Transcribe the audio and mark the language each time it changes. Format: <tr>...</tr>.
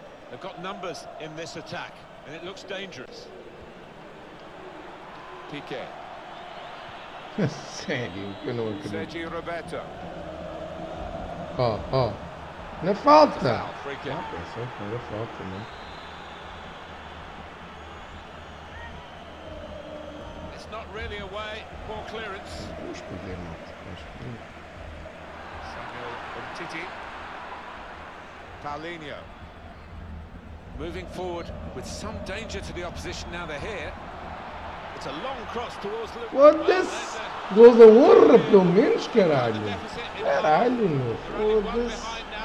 <en>They've got numbers in this attack and it looks dangerous. Piqué.</en> <pt>Sério, que eu não acredito.</pt> <en>Sergio Roberto.</en> <pt>Oh, oh. Na falta! Pensou que era falta, não?</pt> <en>It's not really a way, poor clearance.</en> <pt>Vamos perder, malta. Vamos perder.</pt> <en>Samuel Umtiti. Paulinho. Moving forward with some danger to the opposition now they're here. It's a long cross towards Lucas.</en> <pt>Gol da honra, pelo menos, caralho! Caralho, meu! Foda-se!</pt>